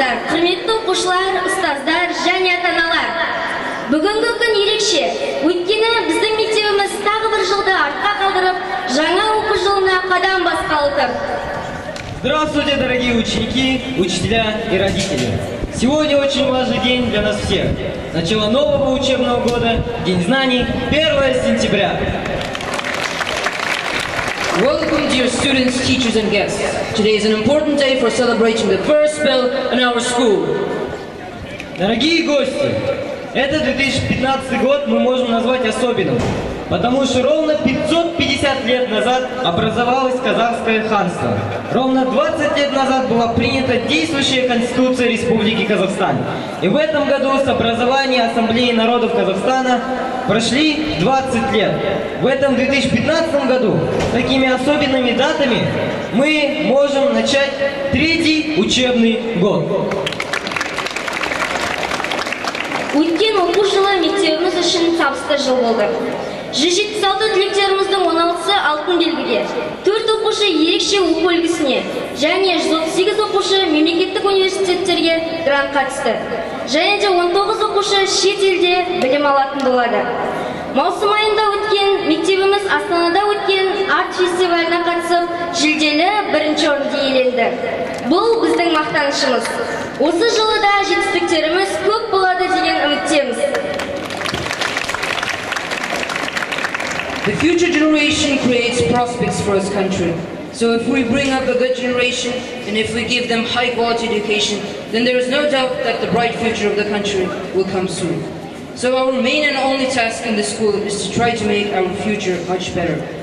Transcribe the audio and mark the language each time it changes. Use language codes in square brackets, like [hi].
[kk] құрметті оқушылар, ұстаздар, және ата-аналар. Бүгінгі күн ерекше, өйткені біздің мектебіміз тағы бір жылды артқа қалдырып, жаңа оқу жылына қадам басқалы тұр. [ru] Здравствуйте, дорогие ученики, учителя и родители! Сегодня очень важный день для нас всех. Начало нового учебного года, День знаний, 1 сентября. [en] Welcome, dear students, teachers and guests. Today is an important day for celebrating the first bell in our school. [ru] Дорогие гости, этот 2015 год мы можем назвать особенным, потому что ровно 550 лет назад образовалось Казахское ханство. Ровно 20 лет назад была принята действующая Конституция Республики Казахстан. И в этом году с образования Ассамблеи народов Казахстана прошли 20 лет. В этом 2015 году такими особенными датами мы можем начать третий учебный год. [kk] Өткен оқу жылы мектебіміз үшін табысты жыл болды. 176 түлектеріміздің 16-сы алтын белгіге, 4 оқушы ерекше оқу үлгісіне, және 38 оқушы мемлекеттік университеттерге грант қатысты. Және де 19 оқушы шет елде білім алатын болады. Маусым айында өткен мектебіміз Астанада өткен арт фестиваліне қатысып, жүлделі бірінші орынды иеленді. Бұл біздің мақтанышымыз. Осы жылы да жетістіктеріміз көп болады деген үміттеміз. [en] The future generation creates prospects for this country. So if we bring up a good generation, and if we give them high quality education, then there is no doubt that the bright future of the country will come soon. So our main and only task in this school is to try to make our future much better.